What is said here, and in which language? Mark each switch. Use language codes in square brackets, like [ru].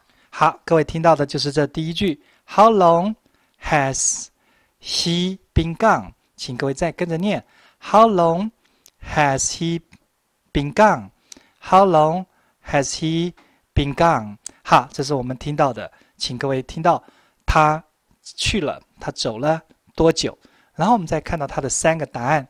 [zh] 好，各位听到的就是这第一句 [en] How long has he been gone? [zh] 请各位再跟着念 [en] How long has he been gone? How long has he been gone? [zh] 好，这是我们听到的，请各位听到他去了，他走了多久，然后我们再看到他的三个答案。